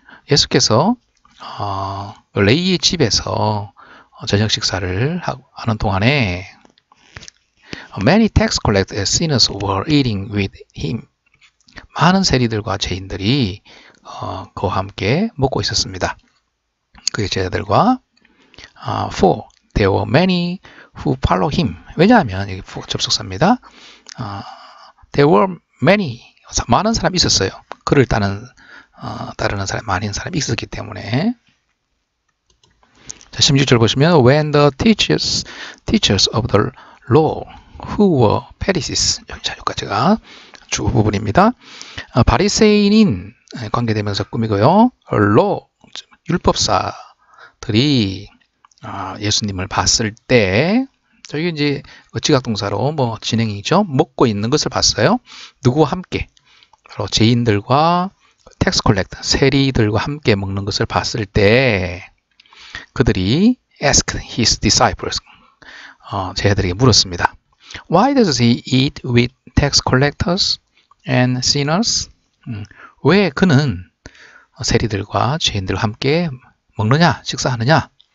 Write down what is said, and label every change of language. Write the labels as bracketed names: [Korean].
[Korean] 예수께서 레이의 집에서 저녁 식사를 하는 동안에 [English] many tax collectors and sinners were eating with him. [Korean] 많은 세리들과 죄인들이 그와 함께 먹고 있었습니다. 그의 제자들과 [English] for there were many who follow him. [Korean] 왜냐하면 여기 접속사입니다. [English] There were many [Korean] 많은 사람이 있었어요. 그를 따르는 사람 많은 사람이 있었기 때문에. 자, 16절 보시면 [English] When the teachers of the law who were Pharisees [Korean] 여기까지가 주 부분입니다. 바리새인인 관계되면서 꾸미고요. law 율법사들이 예수님을 봤을 때 저기 이제 지각동사로 뭐 진행이죠. 먹고 있는 것을 봤어요. 누구와 함께? 바로 죄인들과 텍스 콜렉터, 세리들과 함께 먹는 것을 봤을 때 그들이 [English] asked his disciples, [Korean] 제자들에게 물었습니다. [English] Why does he eat with tax collectors and sinners? [Korean] 왜 그는 세리들과 죄인들과 함께 먹느냐, 식사하느냐?